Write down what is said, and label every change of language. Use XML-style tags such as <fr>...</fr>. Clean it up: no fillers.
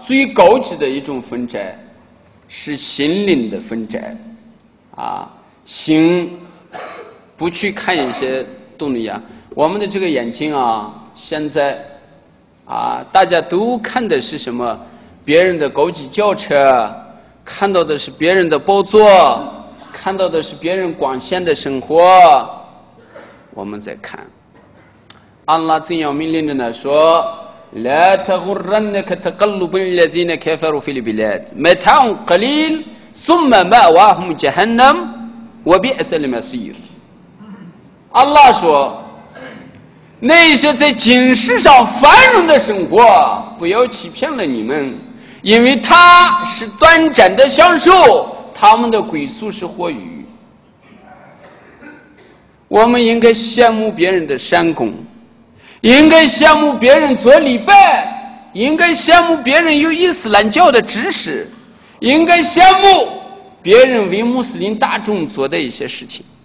<zh>最高级的一种分斋是心灵的分斋啊，心不去看一些动力啊，我们的这个眼睛啊，现在啊，大家都看的是什么？别人的高级轿车，看到的是别人的宝座，看到的是别人光鲜的生活。我们在看，安拉怎样命令着呢？</zh> <ar>说لا تغرنك تقلب الذين كفروا في البلاد متاع قليل ثم مأواهم جهنم وبئس المصير.</ar> <zh>Allah 说，那些在今世上繁荣的生活不要欺骗了你们，因为它是短暂的享受，他们的归宿是火狱。我们应该羡慕别人的善功，应该羡慕别人做礼拜，应该羡慕别人有伊斯兰教的知识，应该羡慕别人为穆斯林大众做的一些事情。</zh>